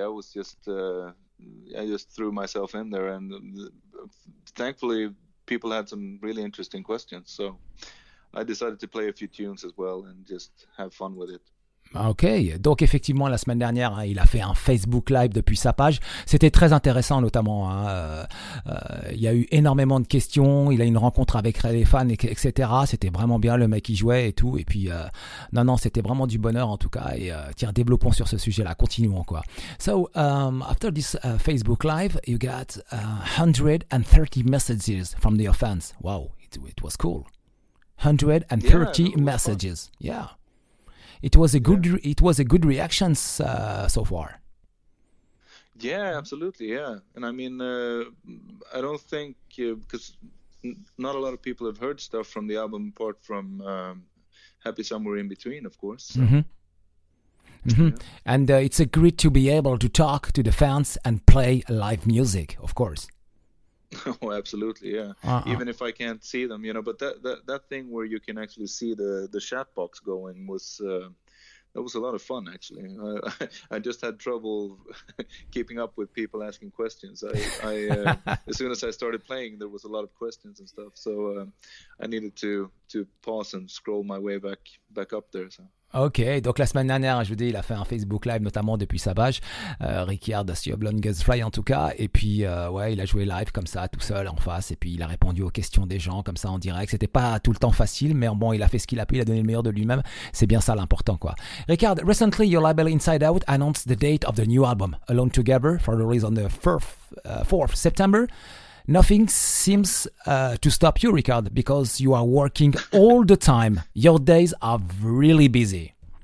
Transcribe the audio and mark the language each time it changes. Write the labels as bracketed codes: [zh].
[en] I was just, I just threw myself in there, and thankfully, people had some really interesting questions. So I decided to play a few tunes as well and just have fun with it. [fr] Ok, donc effectivement la semaine dernière il a fait un Facebook Live depuis sa page, c'était très intéressant notamment, hein. Il y a eu énormément de questions, il a eu une rencontre avec les fans etc, c'était vraiment bien, le mec il jouait et tout, et puis non c'était vraiment du bonheur en tout cas, et tiens développons sur ce sujet là, continuons quoi. [en] So after this Facebook Live you got 130 messages from your fans, wow, it was cool, 130 yeah, messages, fun. Yeah. It was a good. Yeah. It was a good reaction so far. Yeah, absolutely. Yeah, and I mean, I don't think because not a lot of people have heard stuff from the album apart from "Happy Somewhere in Between," of course. So. Mm-hmm. Yeah. And it's a great to be able to talk to the fans and play live music, of course. Oh, absolutely, yeah. Even if I can't see them, you know. But that thing where you can actually see the chat box going was that was a lot of fun, actually. I just had trouble keeping up with people asking questions. I as soon as I started playing, there was a lot of questions and stuff. So I needed to pause and scroll my way back up there. So. [fr] Ok, donc la semaine dernière, je vous dis, il a fait un Facebook Live, notamment depuis sa bâche, Rickyard, The Longest Fly en tout cas, et puis ouais, il a joué live comme ça, tout seul en face, et puis il a répondu aux questions des gens comme ça en direct. C'était pas tout le temps facile, mais bon, il a fait ce qu'il a pu, il a donné le meilleur de lui-même, c'est bien ça l'important quoi. [en] Rickyard, recently your label Inside Out announced the date of the new album, Alone Together, for release on the 4th September. Nothing seems to stop you, Rickyard, because you are working all the time. Your days are really busy.